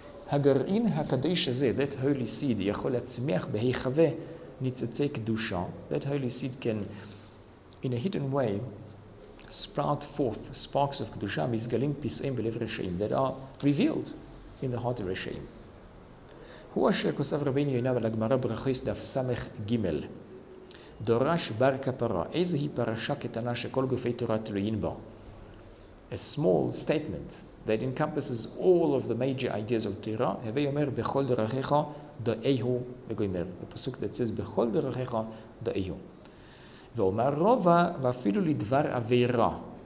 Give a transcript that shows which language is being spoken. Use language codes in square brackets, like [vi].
[he] הגרעין הקדוש הזה, [en] that holy seed, [he] יכול להצמיח בהיחווה ניצוצי קדושה. [en] That holy seed can, in a hidden way, sprout forth sparks of קדושה, [he] מסגלים פסעים בלב רשעים, [en] that are revealed in the heart of רשעים. [he] הוא אשר כוסף רבינו יונה ולגמרה ברכיס דף סמך ג' דורש בר כפרה, איזוהי פרשה קטנה שכל גופי תורה תלויין בה. [en] A small statement that encompasses all of the major ideas of Torah. [he] Hevei Omer bechol derachecha da'ehu v'goymer. [en] The pasuk that says [he] bechol derachecha da'ehu. Ve'omar rova v'afilu lidvar aveira.